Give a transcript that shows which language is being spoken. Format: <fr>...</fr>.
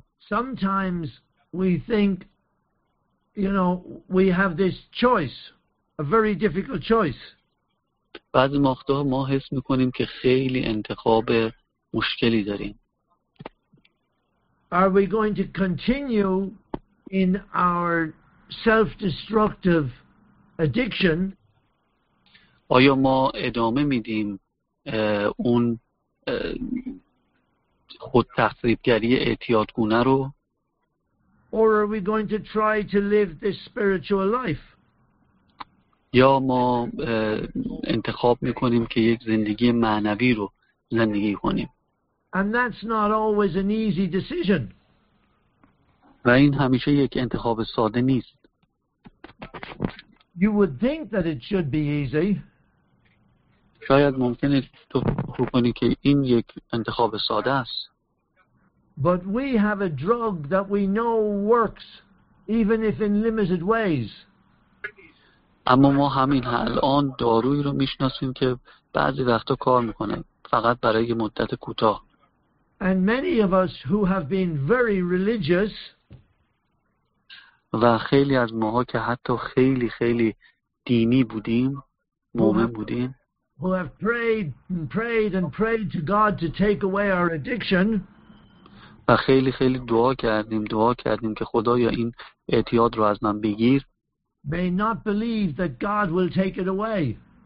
<en>Sometimes we think, you know, we have this choice, a very difficult choice.</en> <fa>بعضی وقتا ما حس میکنیم که خیلی انتخاب مشکلی داریم.</fa> <en>Are we going to continue in our self-destructive addiction?</en> <fa>آیا ما ادامه میدیم اون خود تخریبگری اعتیادگونه رو؟</fa> <en>Or are we going to try to live this spiritual life?</en> <fa>یا ما انتخاب میکنیم که یک زندگی معنوی رو زندگی کنیم؟</fa> <en>And that's not always an easy decision.</en> <fa>و این همیشه یک انتخاب ساده نیست.</fa> <en>You would think that it should be easy.</en> <fa>شاید ممکنه تو فکر کنی که این یک انتخاب ساده است.</fa> <en>But we have a drug that we know works even if in limited ways.</en> <fa>اما ما همین الان دارویی رو میشناسیم که بعضی وقتا کار میکنه فقط برای مدت کوتاه.</fa> <en>And many of us who have been very religious</en> <fa>و خیلی از ماها که حتی خیلی خیلی دینی بودیم، مؤمن بودیم،</fa> <en>who have prayed and prayed and prayed to God to take away our addiction.</en> <fa>و خیلی خیلی دعا کردیم، دعا کردیم که خدایا این اعتیاد رو از من بگیر.</fa> <en>May not believe that God will take it away.</en>